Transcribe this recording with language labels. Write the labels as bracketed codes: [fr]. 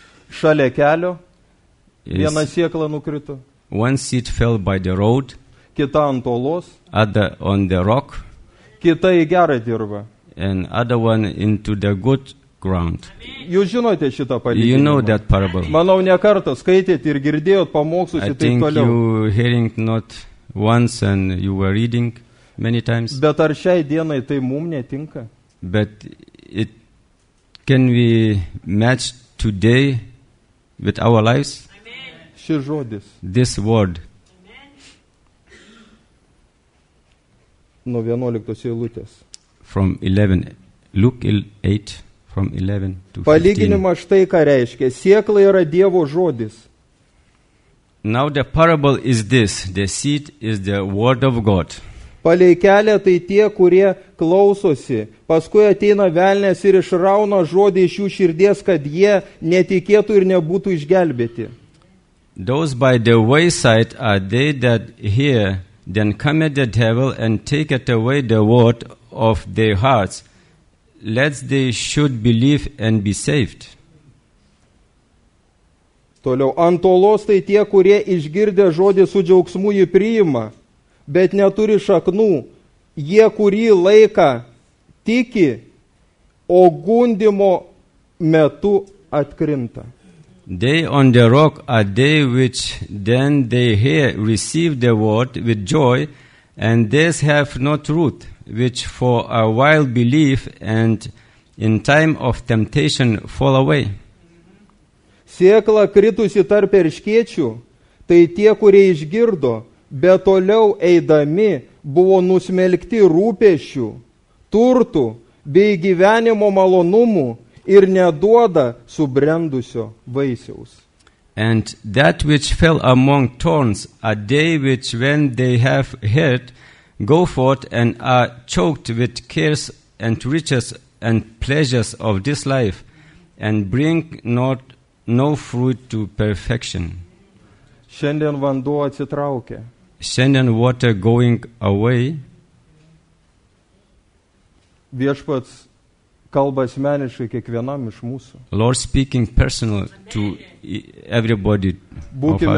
[lt] Šalia kelio. Viena sėkla nukrito. [en] One seed fell by the road. [lt] Kita ant olos. [en] Other on the rock. [lt] Kita į gerą dirbą. [en] And other one into the good ground. [lt] Jūs žinote šitą palyginimą. [en] You know that parable. [lt] Manau, ne kartą skaitėt ir girdėjot pamokslus ir taip toliau. [en] I think you hearing not once and you were reading many times. [lt] Bet ar šiai dienai tai mum netinka? [en] But it can we match today with our lives? [lt] Šis žodis. [en] This word. [lt] nuo 11 eilutės. [en] From 11, Luke 8, from 11 to 15. [lt] Palyginimas štai ką reiškia. Sėkla yra Dievo žodis. [en] Now the parable is this. The seed is the word of God. [lt] Palei kelią tai tie, kurie klausosi. Paskui ateina velnės ir išrauna žodį iš jų širdies, kad jie netikėtų ir nebūtų išgelbėti. [en] Those by the wayside are they that hear, then come the devil and take it away the word of their hearts, lest they should believe and be saved. [lt] Toliau, antolos tai tie, kurie išgirdę žodį su džiaugsmu jį priima, bet neturi šaknų, jie kurį laiką tiki, o gundimo metu atkrinta. [en] They on the rock are they which then they hear, receive the word with joy, and this have not root, which for a while believe, and in time of temptation fall away. [lt] Sėkla kritusi tarp erškėčių, tai tie, kurie išgirdo, bet toliau eidami buvo nusmelkti rūpešių, turtų bei gyvenimo malonumų ir neduoda subrendusio vaisiaus. [en] And that which fell among thorns are they which when they have heard go forth and are choked with cares and riches and pleasures of this life and bring not no fruit to perfection. [lt] Šiandien vanduo atsitraukė. Šiandien [en] water going away. [lt] Viešpats kalba asmeniškai kiekvienam iš mūsų. [en] Lord speaking personal to everybody [lt] būkime,